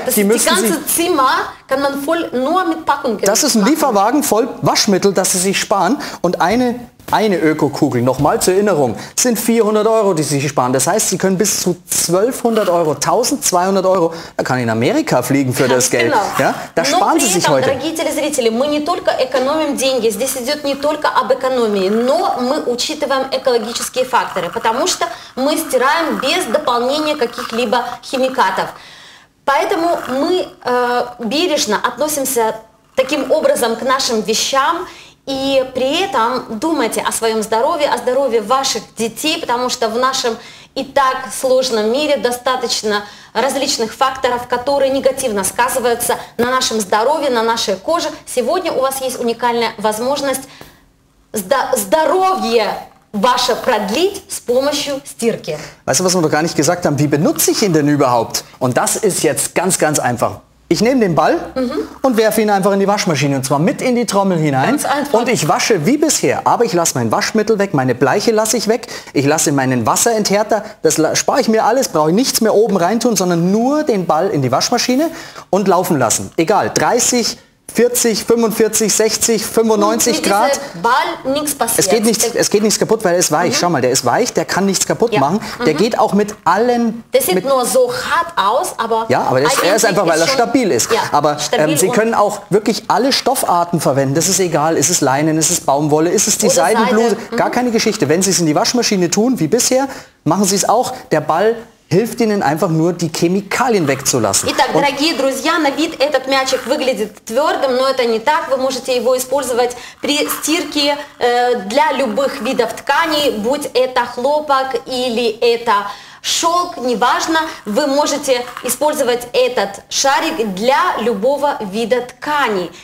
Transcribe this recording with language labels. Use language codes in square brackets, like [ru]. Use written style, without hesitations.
[de] Das ganze Zimmer kann man voll nur mit Packung. Das ist ein Lieferwagen voll Waschmittel, dass Sie sich sparen. Und eine Öko-Kugel, nochmal zur Erinnerung, sind 400 Euro, die Sie sich sparen. Das heißt, Sie können bis zu 1200 Euro, 1200 Euro, da kann ich in Amerika fliegen für das Geld. Ja? Da sparen Sie sich heute. [ru] Дорогие телезрители, мы не только экономим деньги, здесь идет не только об экономии, но мы учитываем экологические факторы, потому что мы стираем без дополнения каких-либо химикатов. Поэтому мы бережно относимся таким образом к нашим вещам. И при этом думайте о здоровье ваших детей, потому что в нашем и так сложном мире достаточно различных факторов, которые негативно сказываются на нашем здоровье, на нашей коже. Сегодня у вас есть уникальная возможность здоровье ваше продлить с помощью стирки. [de] Weißt du, was wir noch gar nicht gesagt haben? Wie benutze ich ihn denn überhaupt? Und das ist jetzt ganz, ganz einfach. Ich nehme den Ball und werfe ihn einfach in die Waschmaschine und zwar mit in die Trommel hinein. Ganz einfach. Und ich wasche wie bisher, aber ich lasse mein Waschmittel weg, meine Bleiche lasse ich weg, ich lasse meinen Wasserenthärter, das spare ich mir alles, brauche ich nichts mehr oben reintun, sondern nur den Ball in die Waschmaschine und laufen lassen. Egal, 30, 40, 45, 60, 95 Grad. Ball nichts passiert. Es geht nichts kaputt, weil er ist weich. Schau mal, der ist weich, der kann nichts kaputt machen. Der geht auch mit allen. Das sieht nur so hart aus, aber. Ja, aber er ist einfach, weil er stabil ist. Ja, aber Sie können auch wirklich alle Stoffarten verwenden. Das ist egal, ist es Leinen, ist es Baumwolle, ist es die Seidenbluse. Gar keine Geschichte. Wenn Sie es in die Waschmaschine tun, wie bisher, machen Sie es auch. Der Ball hilft ihnen einfach nur, die Chemikalien wegzulassen. [ru] Итак, дорогие друзья, на вид этот мячик выглядит твердым, но это не так. Вы можете его использовать при стирке для любых видов тканей, будь это хлопок или это шелк, неважно. Вы можете использовать этот шарик для любого вида ткани.